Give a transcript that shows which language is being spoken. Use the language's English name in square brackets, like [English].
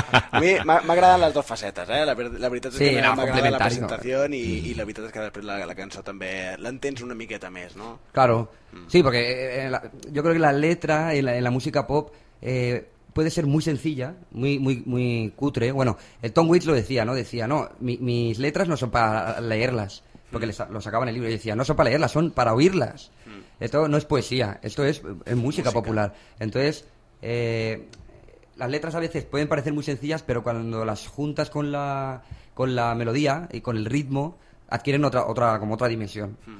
[Spanish] A mí me agradan las dos facetas, ¿eh? [Catalan] La veritat és que [Spanish] me agrada la presentación y [Catalan] la veritat és que després la cançó també l'entens una miqueta més, ¿no? [Spanish] Claro. Sí, porque yo creo que la letra en la música pop puede ser muy sencilla, muy muy muy cutre. Bueno, Tom Waits lo decía, ¿no? Decía, no, mis letras no son para leerlas, porque lo sacaba en el libro y decía, no son para leerlas, son para oírlas. Esto no es poesía, esto es música popular. Entonces, las letras a veces pueden parecer muy sencillas, pero cuando las juntas con la melodía y con el ritmo, adquieren otra como otra dimensión.